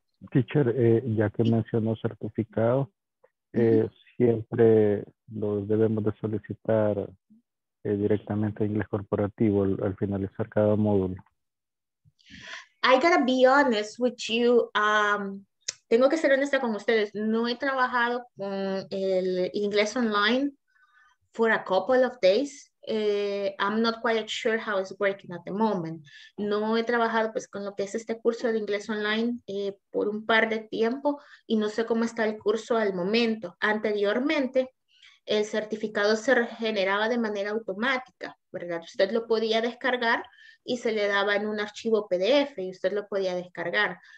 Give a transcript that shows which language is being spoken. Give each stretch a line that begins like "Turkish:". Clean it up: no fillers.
Spanish: Teacher, ya que mencionó certificado, ¿siempre lo debemos de solicitar directamente a inglés corporativo al finalizar cada módulo?
English: I gotta be honest with you.
Spanish: Tengo que ser honesta con ustedes. No he trabajado con el inglés online
English: for a couple of days. I'm not quite sure how it's working at the moment.
Spanish: No he trabajado, pues, con lo que es este curso de inglés online por un par de tiempo, y no sé cómo está el curso al momento. Anteriormente, el certificado se regeneraba de manera automática, ¿verdad? Usted lo podía descargar y se le daba en un archivo PDF y usted lo podía descargar.